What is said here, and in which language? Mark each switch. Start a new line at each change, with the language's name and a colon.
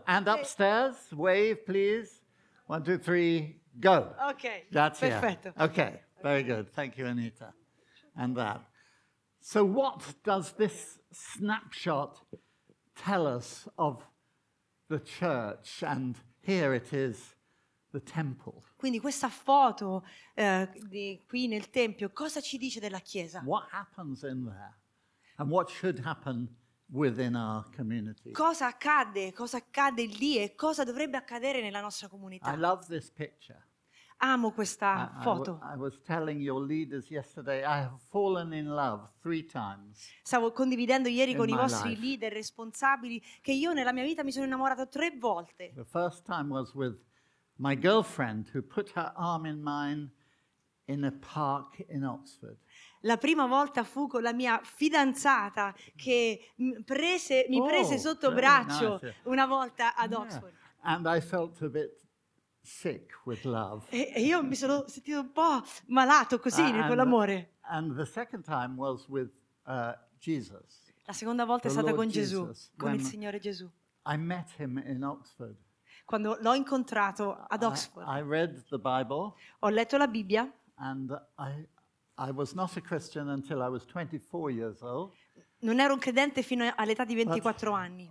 English: And upstairs, wave, please. One, two, three, go. Okay. That's
Italian: perfetto.
English: Here. Okay. Very good. Thank you, Anita. And that. So what does this snapshot tell us of the church? And here it is, the temple.
Italian: Quindi questa foto di qui nel tempio, cosa ci dice della chiesa?
English: What happens in there? And what should happen within our community?
Italian: Cosa accade? Cosa accade lì e cosa dovrebbe accadere nella nostra comunità?
English: I love this picture.
Italian: Amo questa foto.
English: I was telling your leaders yesterday, I have fallen in love 3 times.
Italian: Stavo condividendo ieri con i vostri leader responsabili che io nella mia vita mi sono innamorato 3 volte.
English: The first time was with my girlfriend who put her arm in mine in a park in Oxford.
Italian: La prima volta fu con la mia fidanzata che mi prese sotto braccio una volta ad Oxford.
English: Yeah. And I felt a bit sick with love.
Italian: E io mi sono sentito un po' malato così con l'amore.
English: And the second time was with Jesus.
Italian: La seconda volta è stata con Gesù, con il Signore Gesù.
English: I met him in Oxford.
Italian: Quando l'ho incontrato ad Oxford.
English: I read the Bible.
Italian: Ho letto la Bibbia.
English: And I was not a Christian until I was 24 years old.
Italian: Non ero un credente fino all'età di 24 anni.